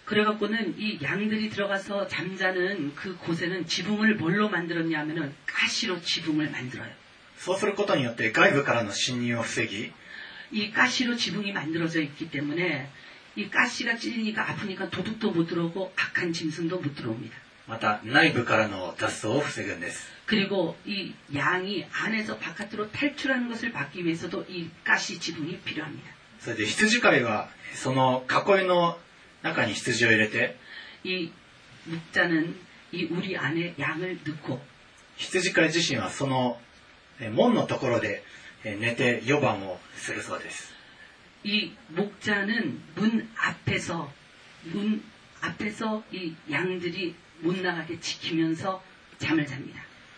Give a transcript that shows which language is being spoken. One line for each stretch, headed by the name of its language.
Korean: 그래갖고는이양들이들어가서잠자는그곳에는지붕을뭘로만들었냐면은가시로지붕을만들어요。
Japanese: そうすることによって外部からの侵入を防ぎ、
Korean: 이가시로지붕이만들어져있기때문에이가시가찔리니까아프니까도둑도못들어오고악한짐승도못들어옵니다。
Japanese: また内部からの雑草を防ぐんです。
Korean: 그리고이양이안에서바깥으로탈출하는것을막기위해서도이가시지붕이필요합니다。
Japanese: それで羊飼いはその囲いの中に羊を入れて、
Korean: 이목자는이우리안에양을넣고、
Japanese: 羊飼い自身はその門のところで寝て夜晩をするそうです。
Korean: 이목자는문앞에서문앞에서이양들이못나가게지키면서잠을잡니다。